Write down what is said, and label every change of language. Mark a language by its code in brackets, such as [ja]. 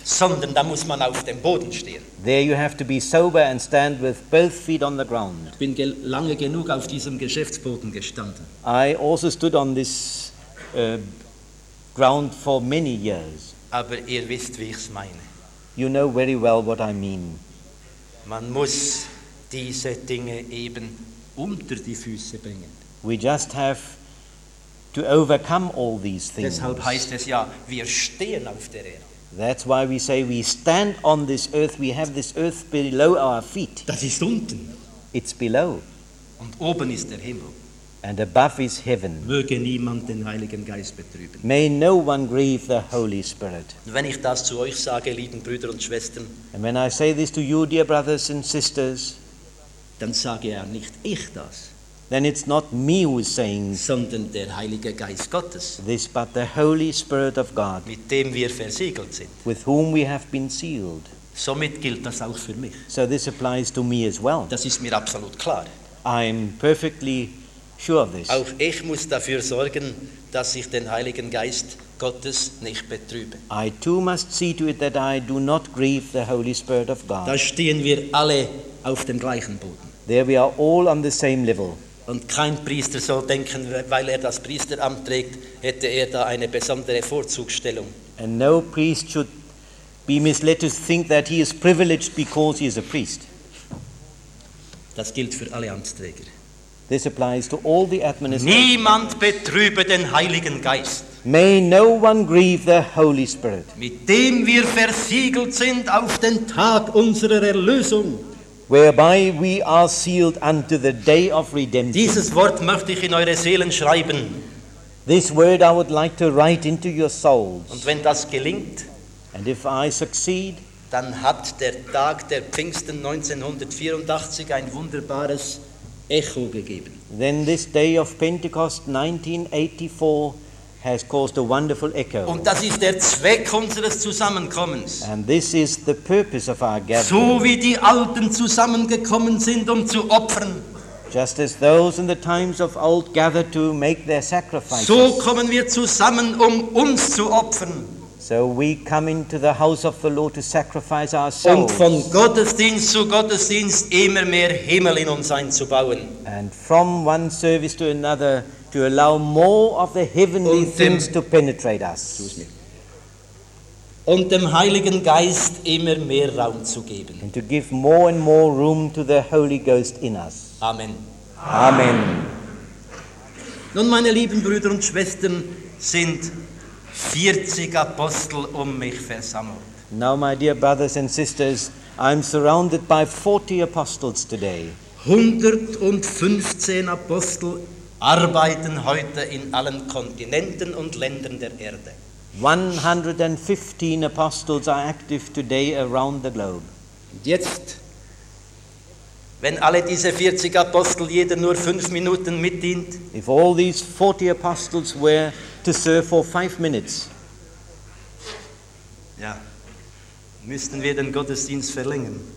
[de] Sondern da muss man auf dem Boden stehen. [en] There you have to be sober and stand with both feet on the ground. [de] Ich bin lange genug auf diesem Geschäftsboden gestanden. [en] I also stood on this ground for many years. [de] Aber ihr wisst, wie ich es meine. [en] You know very well what I mean. [de] Man muss diese Dinge eben unter die Füße bringen. [en] We just have to overcome all these things. [de] Deshalb heißt es ja, wir stehen auf der Erde. [en] That's why we say we stand on this earth. We have this earth below our feet. [de] Das ist unten. [en] It's below. [de] Und oben ist der Himmel. [en] And above is heaven. [de] Möge niemand den Heiligen Geist betrüben. [en] May no one grieve the Holy Spirit. [de] Wenn ich das zu euch sage, lieben Brüder und Schwestern, [en] and when I say this to you, dear brothers and sisters, [de] dann sage ja nicht ich das. [en] Then it's not me who is saying, [de] sondern der Heilige Geist Gottes, [en] this, but the Holy Spirit of God, [de] mit dem wir versiegelt sind, [en] with whom we have been sealed. [de] Somit gilt das auch für mich. [en] So this applies to me as well. [de] Das ist mir absolut klar. [en] I'm perfectly sure of this. [de] Auch ich muss dafür sorgen, dass ich den Heiligen Geist Gottes nicht betrübe. [en] I too must see to it that I do not grieve the Holy Spirit of God. [de] Da stehen wir alle auf dem gleichen Boden. [en] There we are all on the same level. [de] Und kein Priester soll denken, weil er das Priesteramt trägt, hätte er da eine besondere Vorzugsstellung. [en] And no priest should be misled to think that he is privileged because he is a priest. [de] Das gilt für alle Amtsträger. [en] This applies to all the administrators. [de] Niemand betrübe den Heiligen Geist. [en] May no one grieve the Holy Spirit. [de] Mit dem wir versiegelt sind auf den Tag unserer Erlösung. [en] Whereby we are sealed unto the day of redemption. [de] Dieses Wort möchte ich in eure Seelen schreiben. [en] This word I would like to write into your souls. [de] Und wenn das gelingt, [en] and if I succeed, [de] dann hat der Tag der Pfingsten 1984 ein wunderbares Echo gegeben. [en] Then this day of Pentecost 1984 has caused a wonderful echo. [de] Und das ist der Zweck unseres Zusammenkommens. [en] And this is the purpose of our gathering. [de] So wie die Alten zusammengekommen sind, um zu opfern. [en] Just as those in the times of old gathered to make their sacrifices. [de] So kommen wir zusammen, um uns zu opfern. [en] So we come into the house of the Lord to sacrifice ourselves. [de] Und von Gottesdienst zu Gottesdienst immer mehr Himmel in uns einzubauen. [en] And from one service to another, to allow more of the heavenly things to penetrate us. [de] Und dem Heiligen Geist immer mehr Raum zu geben. [en] And to give more and more room to the Holy Ghost in us. [de] Amen. [en] Amen. [de] Nun, meine lieben Brüder und Schwestern, sind 40 Apostel um mich versammelt. [en] Now, my dear brothers and sisters, I'm surrounded by 40 apostles today. [de] 115 Apostel arbeiten heute in allen Kontinenten und Ländern der Erde. [en] 115 Apostles are active today around the globe. [de] Und jetzt, wenn alle diese 40 Apostel jeder nur 5 Minuten mitdient, [en] if all these 40 Apostles were to serve for 5 minutes, [de] ja, müssten wir den Gottesdienst verlängern.